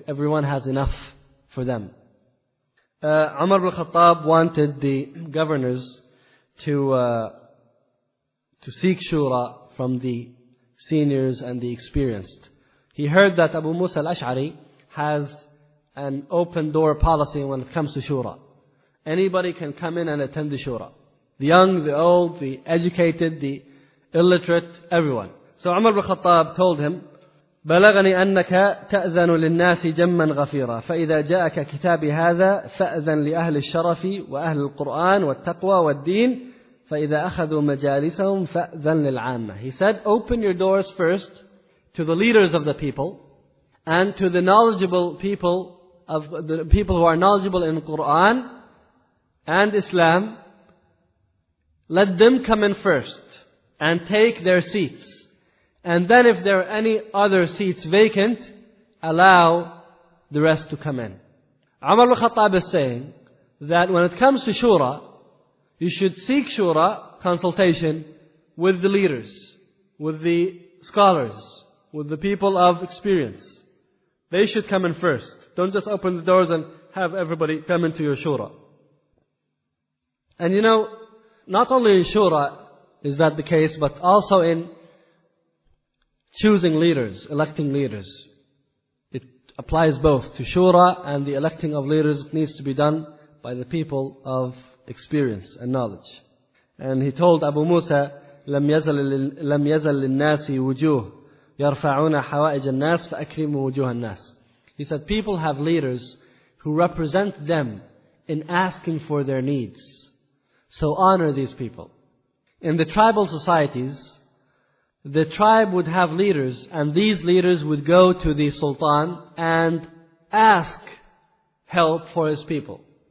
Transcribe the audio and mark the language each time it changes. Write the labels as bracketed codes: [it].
[en] Everyone has enough for them. Umar ibn Khattab wanted the governors to seek shura from the seniors and the experienced. He heard that Abu Musa al-Ash'ari has an open door policy when it comes to shura. Anybody can come in and attend the shura. The young, the old, the educated, the illiterate, everyone. So Umar ibn Khattab told him, [ar] بلغني أنك تأذن للناس جما غفيرا فإذا جاءك كتابي هذا فأذن لأهل الشرف وأهل القرآن والتقوى والدين فإذا أخذوا مجالسهم فأذن للعامة. [en] He said, open your doors first to the leaders of the people and to the knowledgeable people, of the people who are knowledgeable in Quran and Islam. Let them come in first and take their seats. And then if there are any other seats vacant, allow the rest to come in. Umar ibn Khattab is saying that when it comes to shura, you should seek shura, consultation, with the leaders, with the scholars, with the people of experience. They should come in first. Don't just open the doors and have everybody come into your shura. And you know, not only in shura is that the case, but also in choosing leaders, electing leaders. It applies both to shura and the electing of leaders. It needs to be done by the people of experience and knowledge. And he told Abu Musa, [ar] لم يزل للناس وجوه يرفعون حوائج الناس فأكرموا وجوه الناس. [en] He said, people have leaders who represent them in asking for their needs. So honor these people. In the tribal societies, the tribe would have leaders, and these leaders would go to the sultan and ask help for his people.